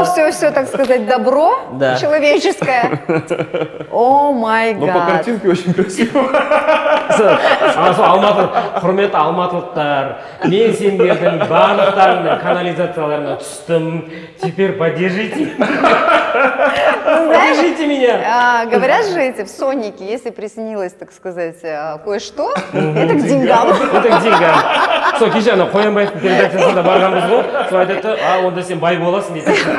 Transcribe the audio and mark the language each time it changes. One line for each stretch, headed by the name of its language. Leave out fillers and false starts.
Russian: Все, так сказать, добро человеческое.
English: О май гад.
Russian: Но по картинке очень красиво.
Kazakh: Алматы, құрметті алматылықтар, мен сендердің барлықтарыңның канализацияларына түстім.
Russian: Теперь поддержите. Поддержите меня. Говорят же эти в Соннике, если приснилось, так сказать, кое-что, это к деньгам. Это к деньгам.
Kazakh: Со, кеше, ана Қоянбаевтың передакциясында барғанбыз ғой, сол айтады, а, онда сен бай боласың дейді.